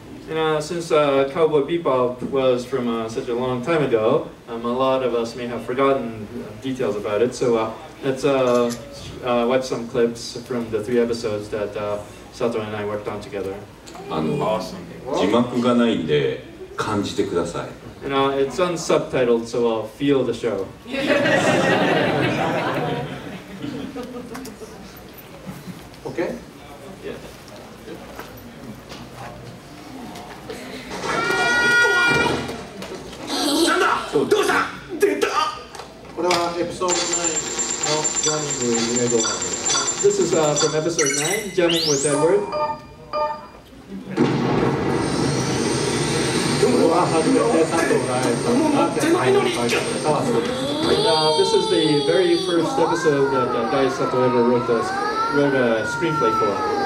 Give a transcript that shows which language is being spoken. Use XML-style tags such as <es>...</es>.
<en>And since Cowboy Bebop was from such a long time ago, a lot of us may have forgotten details about it. So let's watch some clips from the three episodes that Sato and I worked on together.</en> <ja>字幕がないんで感じてください。</ja> <en>And it's unsubtitled, so I'll feel the show. Okay?</en> <ja>Yes. なんだ？どうした？出た！これはエピソード9のジャミングエドワード。</ja> <en>This is from episode 9, Jamming with Edward. This is the very first episode that Dai Sato ever wrote a screenplay for.</en>